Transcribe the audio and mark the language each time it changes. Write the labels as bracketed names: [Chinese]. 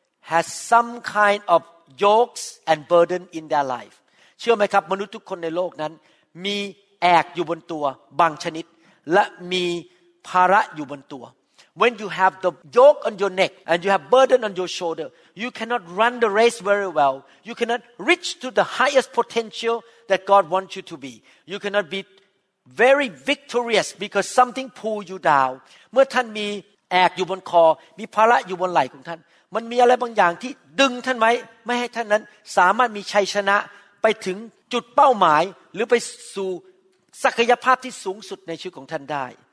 [English] has some kind of yokes and burden in their life [Thai] เชื่อไหมครับมนุษย์ทุกคนในโลกนั้นมีแอกอยู่บนตัว [English] บางชนิดและมีภาระอยู่บนตัว When you have the yoke on your neck and you have burden on your shoulder, you cannot run the race very well. You cannot reach to the highest potential that God wants you to be. You cannot be very victorious because something pull you down. [Thai] เมื่อท่านมีแอกอยู่บนคอมีภาระอยู่บนไหล่ของท่านมันมีอะไรบางอย่างที่ดึงท่านไว้ไม่ให้ท่านนั้นสามารถมีชัยชนะไปถึงจุดเป้าหมายหรือไปสู่ศักยภาพที่สูงสุดในชีวิตของท่านได้